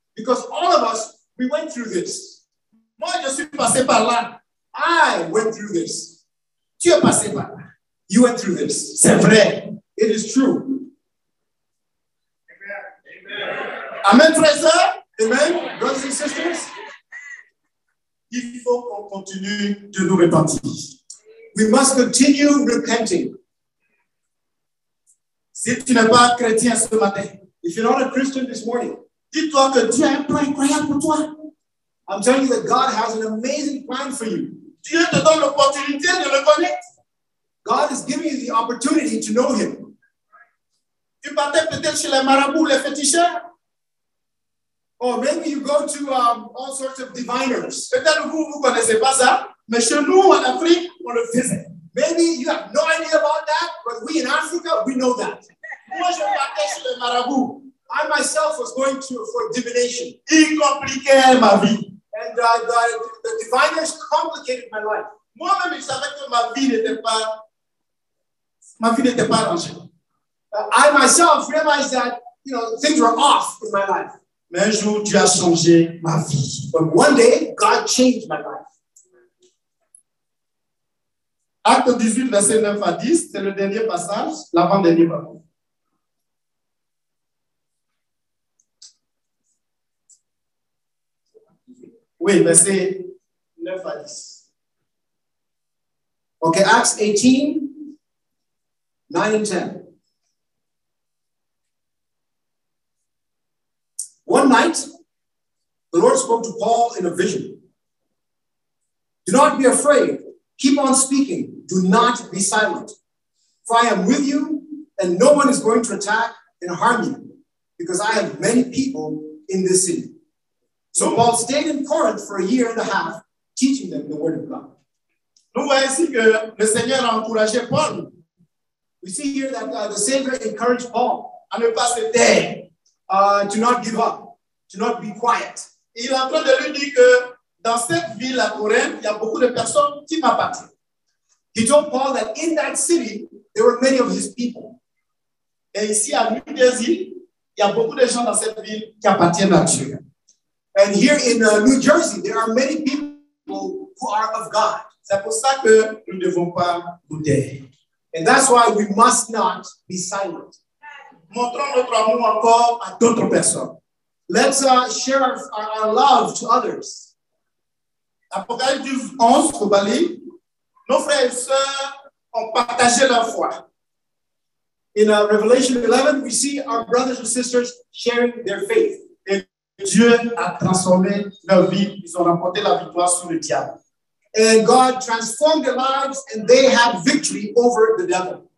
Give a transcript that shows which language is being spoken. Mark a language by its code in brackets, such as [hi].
[en] Because all of us, we went through this. [fr] Moi, je suis passé par là. [en] I went through this. [fr] Tu es passé par là. [en] You went through this. [fr] C'est vrai. [en] It is true. Amen. Amen, [fr] frères. Amen, [en] brothers and sisters. [fr] Il faut qu'on continue de nous repentir. [en] We must continue repenting. [fr] Si tu n'es pas chrétien ce matin, [en] if you're not a Christian this morning, [fr] dis-toi que Dieu a un plan incroyable pour toi. [en] I'm telling you that God has an amazing plan for you. [fr] Dieu te donne l'opportunité de le connaître. [en] God is giving you the opportunity to know him. [fr] Tu partais peut-être chez les marabouts, les féticheurs. [en] Or maybe you go to all sorts of diviners. [fr] Peut-être vous, vous connaissez pas ça, mais chez nous en Afrique, on le faisait. [en] Maybe you have no idea about that, but we in Africa, we know that. [fr] Moi, je partais chez les marabouts. [en] I myself was going to for divination. [fr] Il compliquait ma vie. [en] And the diviners complicated my life. [fr] Moi-même, je savais que ma vie n'était pas arrangée. [en] I myself realized that, you know, things were off in my life. [fr] Mais un jour, Dieu a changé ma vie. [en] But one day, God changed my life. [fr] Acte 18, verset 9 à 10, c'est le dernier passage, l'avant-dernier passage. Oui, verset 9 à 10. [en] OK, Acts 18, 9 and 10. One night, the Lord spoke to Paul in a vision. "Do not be afraid. Keep on speaking. Do not be silent. For I am with you, and no one is going to attack and harm you, because I have many people in this city." So Paul stayed in Corinth for a year and a half, teaching them the word of God. [fr] Nous voyons ici que le Seigneur a encouragé Paul. [en] We see here that the Savior encouraged Paul. [fr] À ne pas se taire. [en] Do not give up. Do not be quiet. [fr] Il est en train de lui dire que dans cette ville à Corinth, il y a beaucoup de personnes qui m'appartiennent. [en] He told Paul that in that city, there were many of his people. [fr] Et ici à Nudésie, il y a beaucoup de gens dans cette ville qui appartiennent à Dieu. [en] And here in New Jersey, there are many people who are of God. [fr] C'est pour ça que nous ne devons pas bouder. [en] And that's why we must not be silent. [fr] Montrons notre amour encore à d'autres personnes. [en] Let's share our love to others. [fr] Apocalypse 12, 11, pour Bali. Nos frères et sœurs ont partagé leur foi. [en] In Revelation 11, we see our brothers and sisters sharing their faith. [fr] Et Dieu a transformé leur vie. Ils ont remporté la victoire sur le diable. [en] And God transformed their lives and they have victory over the devil.